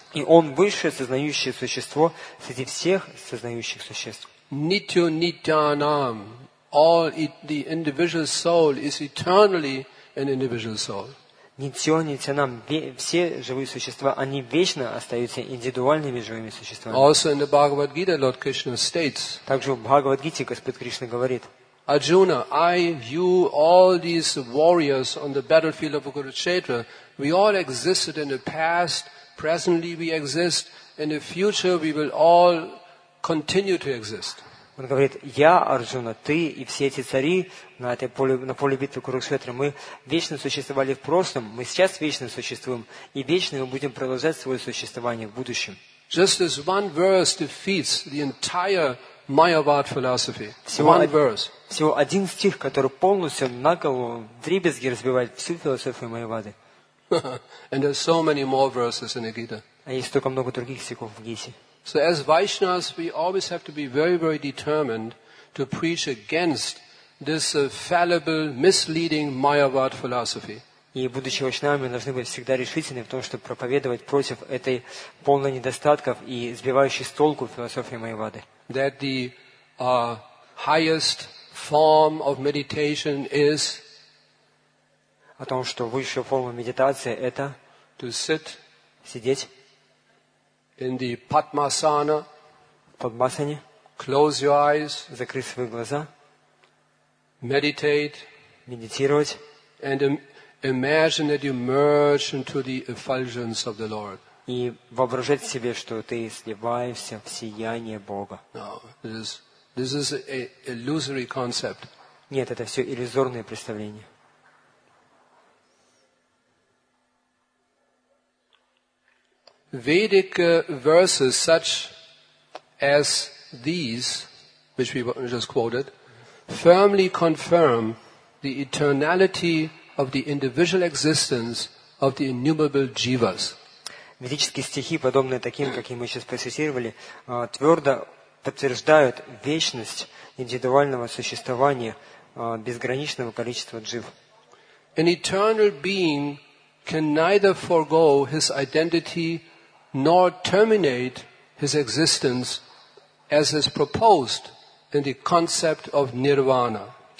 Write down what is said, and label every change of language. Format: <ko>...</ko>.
<ru>И он высшее сознающее существо среди всех сознающих существ.</ru> <sa>Nityo nityanam,</sa> <en>all the individual soul is eternally an individual soul.</en> <sa>Nityo nityanam,</sa> <ru>все живые существа, они вечно остаются индивидуальными живыми существами.</ru> <en>Also in the Bhagavad Gita, Lord Krishna states.</en> <ru>Также в Бхагавад-гите Господь Кришна говорит.</ru> <en>Arjuna, I, you, all these warriors on the battlefield of Kurukshetra, we all existed in the past, presently we exist, in the future we will all continue to exist.</en> <ru>Он говорит, я, Арджуна, ты и все эти цари на поле битвы Курукшетры, мы вечно существовали в прошлом, мы сейчас вечно существуем, и вечно мы будем продолжать свое существование в будущем.</ru> <en>Just as one verse defeats the entire Mayavad philosophy. One verse.</en> <ru>Всего один стих, который полностью на голову, в дребезги разбивает всю философию Майявады.</ru> <en>And there's so many more verses in the Gita.</en> <ru>А есть столько много других стихов в Гите.</ru> <en>So as Vaishnavas, we always have to be very, very determined to preach against this fallible, misleading Mayavad philosophy.</en> <ru>И будучи Вайшнавами, мы должны быть всегда решительны в том, чтобы проповедовать против этой полной недостатков и сбивающей с толку философии Майявады.</ru> <en>That the highest form of meditation is</en> <ru>о том, что высшая форма медитации это</ru> <en>to sit</en> <ru>сидеть</ru> <en>in the Padmasana,</en> <ru>в Падмасане,</ru> <en>close your eyes,</en> <ru>закрыть свои глаза,</ru> <en>meditate,</en> <ru>медитировать,</ru> <en>and imagine that you merge into the effulgence of the Lord.</en> <ru>И воображать себе, что ты сливаешься в сияние Бога.</ru> <en>No, this is an illusory concept.</en> <ru>Нет, это все иллюзорное представление.</ru> <en>Vedic verses such as these, which we just quoted, firmly confirm the eternality of the individual existence of the innumerable jivas.</en> <ru>Ведические стихи, подобные таким, какие мы сейчас процитировали, твердо подтверждают вечность индивидуального существования безграничного количества джив.</ru> <en>An eternal being can neither forego his identity nor terminate his existence as is proposed in the concept of nirvana.</en>